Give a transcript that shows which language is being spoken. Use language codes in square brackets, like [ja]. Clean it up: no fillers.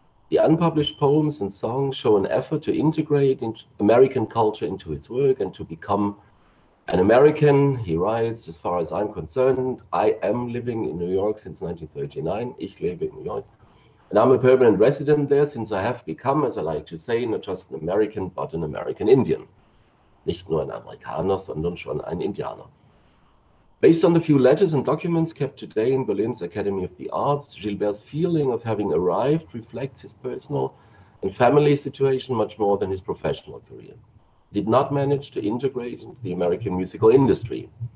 [en] The unpublished poems and songs show an effort to integrate American culture into his work and to become an American. He writes, as far as I'm concerned, I am living in New York since 1939. [de] Ich lebe in New York. [en] And I'm a permanent resident there since I have become, as I like to say, not just an American, but an American Indian. [de] Nicht nur ein Amerikaner, sondern schon ein Indianer. [en] Based on the few letters and documents kept today in Berlin's Academy of the Arts, Gilbert's feeling of having arrived reflects his personal and family situation much more than his professional career. He did not manage to integrate into the American musical industry.